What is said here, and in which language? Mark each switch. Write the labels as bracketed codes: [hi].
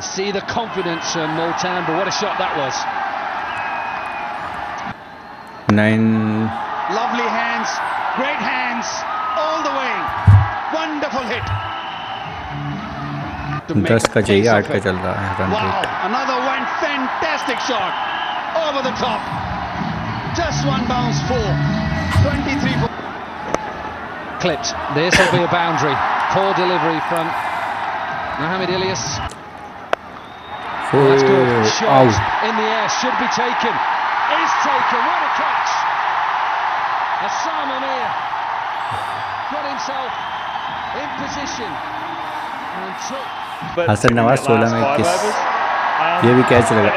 [en] See the confidence from Multan, but what a shot that was. Nine. Lovely hands, great hands, all the way. Wonderful hit. [hi] 10 का चाहिए, 8 का चल रहा है run rate. [en] Another one fantastic shot over the top. Just one bounce four. 23 clipped. This will be a boundary. Poor delivery from Mohamed Ilias. Oh, that's good. Shot in the air, should be taken. Is taken. What a catch. Hassan Amir got himself in position and took. [hi] Hasan Nawaz 16 में 21, ये भी catch लगा.